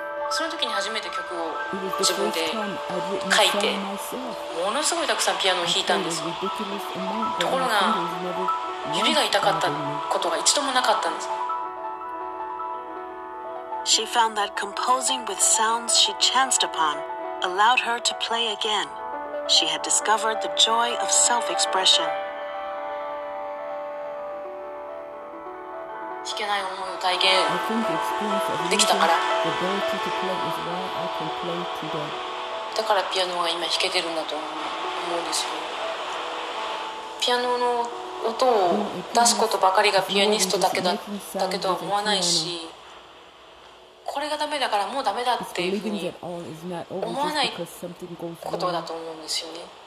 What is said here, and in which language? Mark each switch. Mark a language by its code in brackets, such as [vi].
[ja] その時に初めて曲を自分で書いて、ものすごいたくさんピアノを弾いたんです。ところが指が痛かったことが一度もなかったんです。 [en] She found that composing with sounds she chanced upon allowed her to play again. She had discovered the joy of self-expression. [ja] 弾けない思いを体験できたから、だからピアノが今弾けてるんだと思うんですよ。ピアノの音を出すことばかりがピアニストだけだったけとは思わないし、これがダメだからもうダメだっていうふうに思わないことだと思うんですよね。